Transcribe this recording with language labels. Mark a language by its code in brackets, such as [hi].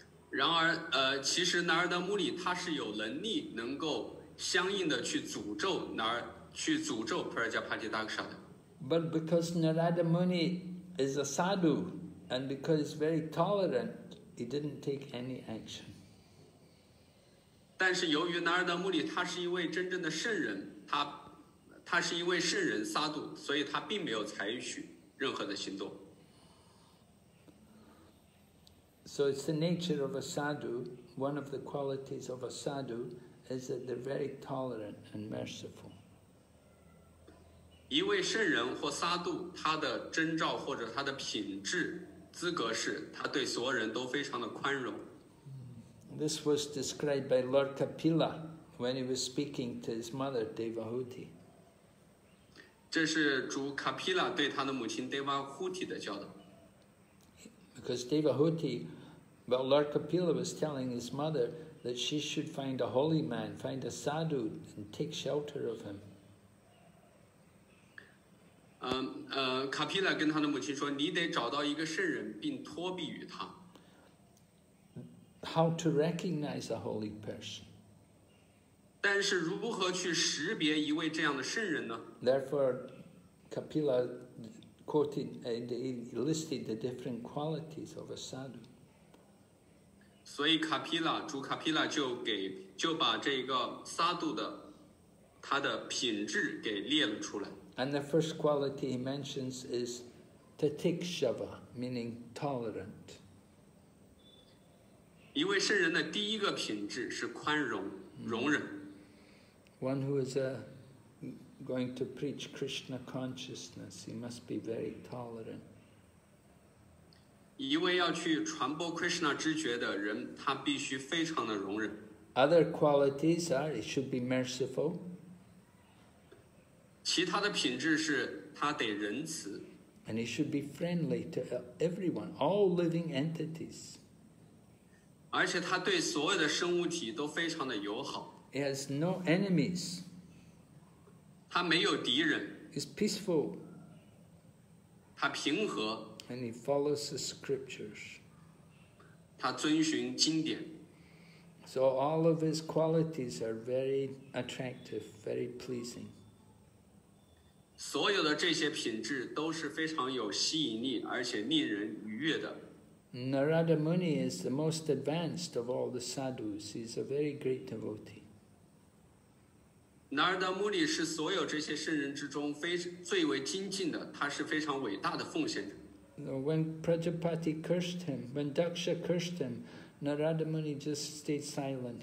[zh] 然而其实南尔达穆里他是有能力能够相应的去诅咒Prajapati Daksha 的。 [en] But because Narada Muni is a sadhu, and because he's very tolerant, he didn't take any action. [zh] 但是由于南尔达穆里他是一位真正的圣人，他是一位圣人sadhu，所以他并没有采取任何的行动。 [en] So it's the nature of a sadhu, one of the qualities of a sadhu is that they're very tolerant and merciful. [zh] 一位圣人或沙杜，他的征兆或者他的品质资格是他对所有人都非常的宽容。 [en] This was described by Lord Kapila when he was speaking to his mother Devahuti. [zh] 这是主卡皮拉对他的母亲 Devahuti 的教导。 [en] Because Devahuti, well, Lord Kapila was telling his mother that she should find a holy man, find a sadhu, and take shelter of him. [zh] 卡皮拉跟他的母亲说，你得找到一个圣人并托庇于他。 [en] How to recognize a holy person? [zh] 但是如何去识别一位这样的圣人呢？ [en] Therefore, Kapila quoted and listed the different qualities of a sadhu. [zh] 所以卡皮拉，主卡皮拉就把这个萨度的他的品质给列了出来。 [en] And the first quality he mentions is tatikshava, meaning tolerant. [zh] 一位圣人的第一个品质是宽容、容忍。 [en] One who is going to preach Krishna consciousness, he must be very tolerant. [zh] 一位要去传播 Krishna 知觉的人，他必须非常的容忍。 [en] Other qualities are he should be merciful. [zh] 其他的品质是他得仁慈。 [en] And he should be friendly to everyone, all living entities. [zh] 而且他对所有的生物体都非常的友好。 [en] He has no enemies. [zh] 他没有敌人。 [en] He's peaceful. [zh] 他平和。 [en] And he follows the scriptures. [zh] 他遵循经典。 [en] So all of his qualities are very attractive, very pleasing. [zh] 所有的这些品质都是非常有吸引力，而且令人愉悦的。 [en] Narada Muni is the most advanced of all the sadhus. He's a very great devotee. [zh] Narada Muni 是所有这些圣人之中最为精进的，他是非常伟大的奉献者。 [en] When Prajapati cursed him, when Daksha cursed him, Narada Muni just stayed silent.